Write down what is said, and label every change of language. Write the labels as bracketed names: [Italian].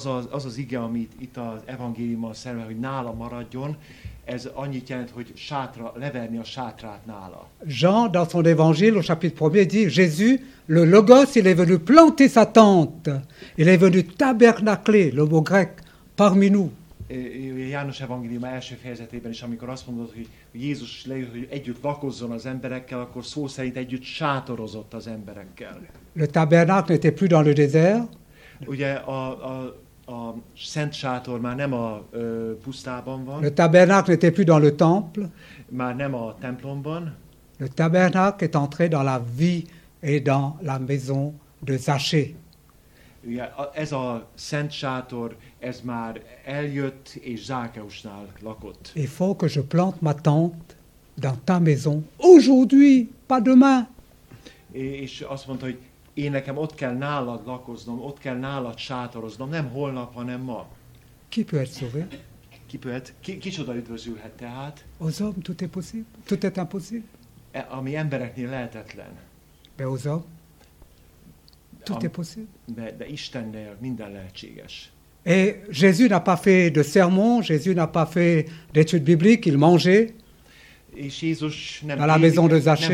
[Hungarian] Az ige, amit itt az evangéliumban szerve, hogy nála maradjon, ez annyit jelent, hogy sátra, leverni a sátrát nála. [French] Jean, dans son évangile, au chapitre 1er, dit Jésus, le Logos, il est venu planter sa tente. Il est venu tabernacler, le mot grec, parmi nous. [Hungarian] János evangélium első fejezetében is, amikor azt mondod, hogy Jézus lejött, hogy együtt lakozzon az emberekkel, akkor szó szerint együtt sátorozott az emberekkel. [French] Le tabernacle n'était plus dans le désert. [Hungarian] Ugye a szent sátor már nem a pusztában van. [French] Le tabernacle n'était plus dans le temple. [Hungarian] Már nem a templomban. [French] Le tabernacle est entré dans la vie et dans la maison de Zachée. [Hungarian] Ugye, ez a szent sátor, ez már eljött és Zákeusnál lakott. [French] Il faut que je plante ma tente dans ta maison aujourd'hui, pas demain. [Hungarian] És azt mondta, hogy én nekem ott kell nálad lakoznom, ott kell nálad sátoroznom, nem holnap, hanem ma. [French] Qui peut être sauvé? [Hungarian] Ki [French] peut, [Hungarian] kicsoda üdvözülhet tehát? [French] Aux hommes, tout est possible. Tout est impossible. [Hungarian] Ami embereknél lehetetlen. [French] Mais aux hommes, tout est possible. [Hungarian] De Istennél minden lehetséges. [French] Et Jésus n'a pas fait de sermon, Jésus n'a pas fait d'études bibliques, il mangeait. [Hungarian] És Jézus nem [French] dans la maison de Zachée.